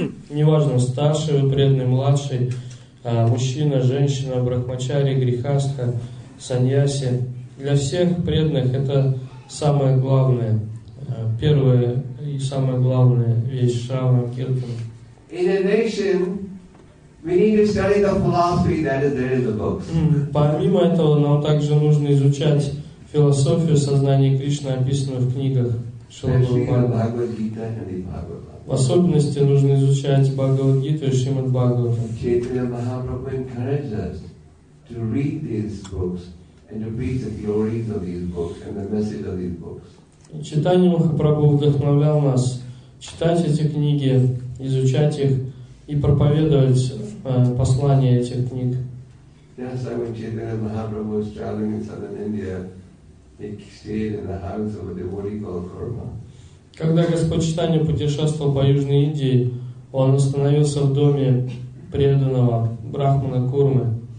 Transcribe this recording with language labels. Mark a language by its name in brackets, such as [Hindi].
[Russian] неважно, старший вы преданный, младший, мужчина, женщина, брахмачари, грихастха, саньяси. Для всех преданных это самое главное, первое и самое главное вещь Шравана Киртана. [English] In a nation, we need to study the philosophy that is there in the books. [Russian] Помимо этого, нам также нужно изучать философию сознания Кришны, описанную в книгах. В особенности нужно изучать Бхагавад-гиту и Шримад-Бхагаватам. [English] Чайтанья Махапрабху encourages to read these books and to read the glories of these books and the message of these books. [Russian] Читание Махапрабху вдохновлял нас читать эти книги, изучать их и проповедовать послание этих книг. [English] Yes, when Chaitanya Mahaprabhu was traveling in southern India, he stayed in the house of a devotee called Kurma. [Russian] Когда Господь Читания путешествовал по Южной Индии, он остановился в доме преданного Брахмана Курмы.